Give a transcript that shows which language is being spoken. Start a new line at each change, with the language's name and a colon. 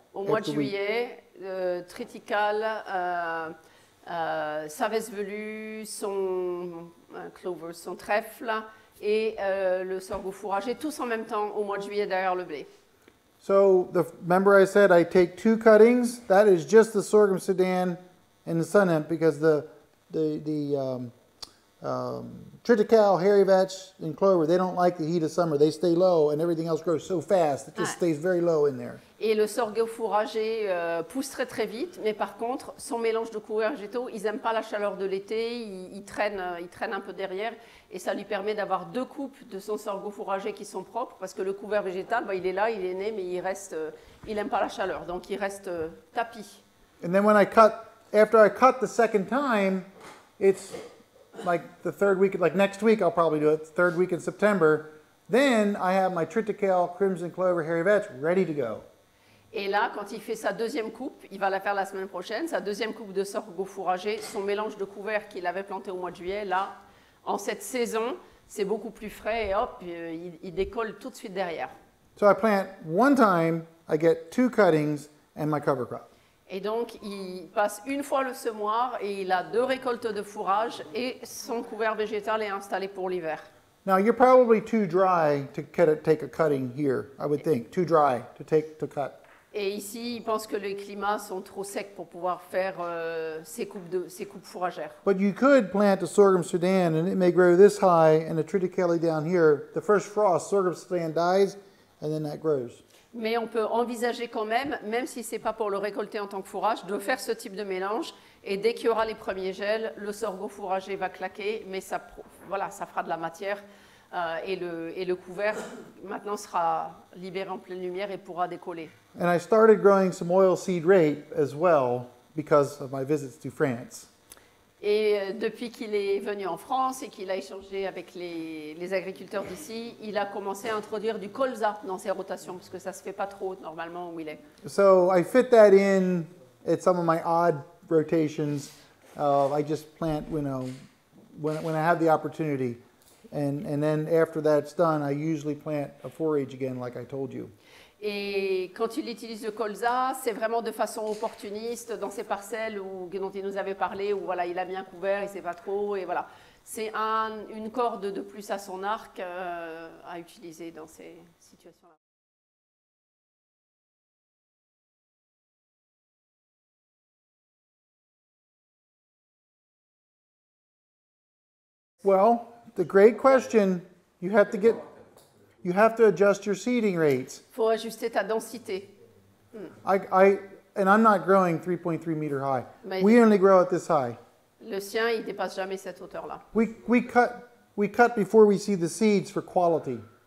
French: au mois de juillet, triticale, savesse velue, son clover, son trèfle et le sorgho fourragé, tous en même temps au mois de juillet derrière le blé.
English: So, remember I said I take two cuttings. That is just the sorghum Sudan and the sun hemp because triticale, hairy vetch, and clover, they don't like the heat of summer. They stay low, and everything else grows so fast, it just stays very low in there.
French: Et le sorgho fourragé pousse très très vite, mais par contre, son mélange de couverts végétaux, ils n'aiment pas la chaleur de l'été, ils traînent un peu derrière, et ça lui permet d'avoir deux coupes de son sorgho fourragé qui sont propres, parce que le couvert végétal, bah, il est là, il est né, mais il reste, il n'aime pas la chaleur, donc il reste tapis.
English: And then when I cut, after I cut the second time, it's like the third week, like next week, I'll probably do it. Third week in September, then I have my triticale, crimson clover, hairy vetch ready to go.
French: Et là, quand il fait sa deuxième coupe, il va la faire la semaine prochaine, sa deuxième coupe de sorgho fourragé, son mélange de couvert qu'il avait planté au mois de juillet, là, en cette saison, c'est beaucoup plus frais et hop, il décolle tout de suite derrière.
English: So I plant one time, I get two cuttings and my cover crop.
French: Et donc, il passe une fois le semoir et il a deux récoltes de fourrage et son couvert végétal est installé pour l'hiver.
English: Now you're probably too dry to take a cutting here, I would think. Too dry to take to cut.
French: Et ici, ils pensent que les climats sont trop secs pour pouvoir faire ces coupes fourragères.
English: But you could plant a sorghum Sudan and it may grow this high and a triticale down here. The first frost, sorghum Sudan dies and then that grows.
French: Mais on peut envisager quand même, même si c'est pas pour le récolter en tant que fourrage, de faire ce type de mélange et dès qu'il y aura les premiers gels, le sorgho fourragé va claquer, mais ça, voilà, ça fera de la matière. Et le couvert maintenant sera libéré en pleine lumière et pourra décoller.
English: And I started growing some oil seed rape as well because of my visits to France.
French: Et depuis qu'il est venu en France et qu'il a échangé avec les agriculteurs d'ici, il a commencé à introduire du colza dans ses rotations parce que ça se fait pas trop normalement où il est.
English: So I fit that in at some of my odd rotations. I just plant, you know, when I have the opportunity. And then after that's done, I usually plant a forage again, like I told you.
French: Et quand il utilise le colza, c'est vraiment de façon opportuniste dans ses parcelles où, dont il nous avait parlé, où voilà, il a bien couvert, il ne sait pas trop, et voilà. C'est une corde de plus à son arc à utiliser dans ces situations-là.
English: Well, the great question, you have to adjust your seeding rates.
French: Faut ajuster ta densité.
English: I'm not growing 3.3 meter high.
French: Mais
English: we only grow at this high.
French: Le sien, il dépasse jamais cette hauteur là.
English: We cut before we see the seeds for quality.